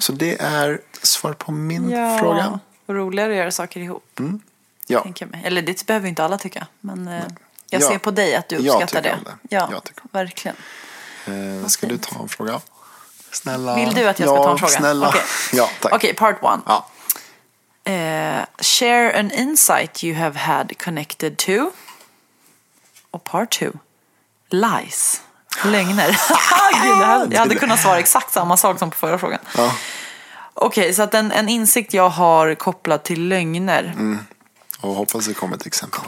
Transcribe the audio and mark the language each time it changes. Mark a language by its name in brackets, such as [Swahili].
[Swedish] Så det är svar på min fråga. Och roligare att göra saker ihop. Mm. Ja. Tänker mig. Eller det behöver inte alla tycka, men... Nej. Jag ser på dig att du uppskattar det. Ja, verkligen. Ska du ta en fråga? Snälla. Vill du att jag ska ta en fråga? Snälla. Okay. Ja, tack. Okej, [English] part one. [Swedish] Ja. [English] Share an insight you have had connected to. [Swedish] Och [English] part two. Lies. [Swedish] Lögner. Gud, jag hade kunnat svara exakt samma sak som på förra frågan. Ja. Okej, så att en insikt jag har kopplat till lögner... Mm. Och hoppas det kommer ett exempel också.